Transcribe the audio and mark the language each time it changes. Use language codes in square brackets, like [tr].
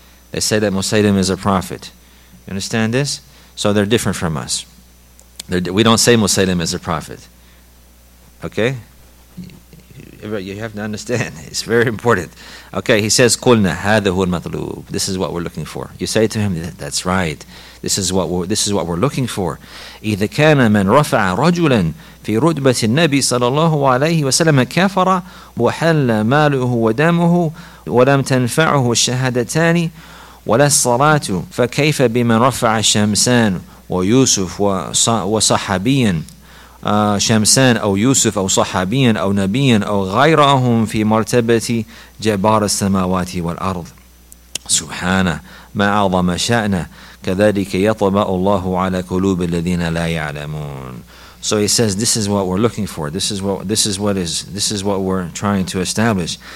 [en] They say that Musaylama is a prophet. You understand this? So they're different from us. We don't say Musaylama is a prophet. Okay? You have to understand. It's very important. Okay, he says, [ar] قُلْنَا هَذَهُ الْمَطْلُوبُ. [en] This is what we're looking for. You say to him, that's right. This is what we're looking for. [ar] إِذَا كَانَ مَنْ رَفَعَ رَجُلًا فِي رُتْبَةِ النَّبِي صَلَى اللَّهُ عَلَيْهِ وَسَلَمَ كَفَرَ وَحَلَّ مَالُهُ وَدَمُهُ وَلَمْ تَنْفَعُهُ الشَّهَدَتَانِ وَلَا الصَّلَاةُ فَكَيْفَ بِمَنْ رَفَعَ الشَّمْسَانُ وَيُوسُفُ وَصَحَبِيًّا شمسان أو يوسف أو صحابيا أو نبيا أو غيرهم في مرتبة جبار السماوات والأرض سبحانه ما أعظم شأنه كذلك يطبع الله على قلوب الذين لا يعلمون. [en] So he says, this is what we're looking for. This is what we're trying to establish.